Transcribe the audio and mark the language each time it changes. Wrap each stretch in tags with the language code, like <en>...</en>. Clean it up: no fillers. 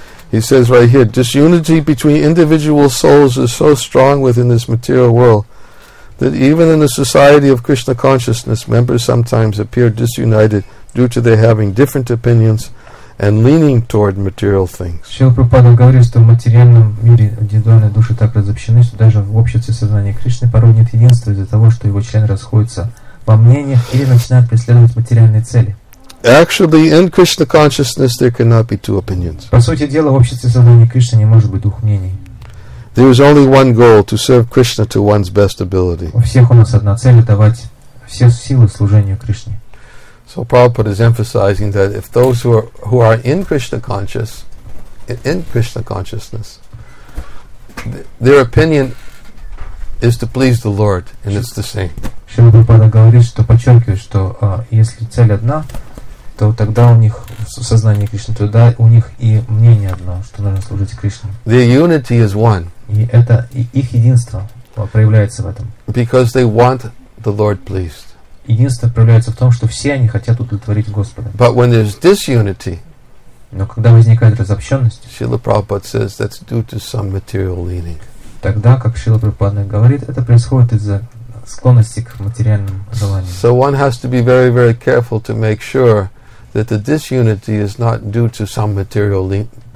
<en>He says right here, disunity between individual souls is so strong within this material world that even in the society of Krishna consciousness, members sometimes appear disunited due to their having different opinions and leaning toward material things.</en> <ru>Шрила Прабхупада говорит, что в материальном мире индивидуальные души так разобщены, что даже в обществе сознания Кришны порой нет единства из-за того, что его члены расходятся во мнениях или начинают преследовать материальные цели.</ru> <en>Actually, in Krishna consciousness, there cannot be two opinions.</en> <ru>По сути дела, в обществе сознания Кришны не может быть двух мнений.</ru> <en>There is only one goal, to serve Krishna to one's best ability.</en> <ru>У всех у нас одна цель – давать все силы служению Кришне.</ru> <en>So Prabhupada is emphasizing that if those who are in Krishna conscious, in Krishna consciousness, their opinion is to please the Lord, and it's the same.</en> <ru>Шрила Прабхупада говорит, что подчеркивает, что если цель одна, то тогда у них сознание Кришны, тогда у них и мнение одно, что нужно служить Кришне.</ru> <en>Their unity is one.</en> <ru>И это их единство проявляется в этом.</ru> <en>Because they want the Lord pleased.</en> <ru>Единство проявляется в том, что все они хотят удовлетворить Господа.</ru> <en>But when there's disunity,</en> <ru>но когда возникает разобщенность,</ru> <en>Шрила Прабхупада says that's due to some material leaning.</en> <ru>Тогда, как Шрила Прабхупада говорит, это происходит из-за склонности к материальным желаниям.</ru> <en>So one has to be very, very careful to make sure that the disunity is not due to some material leaning.</en>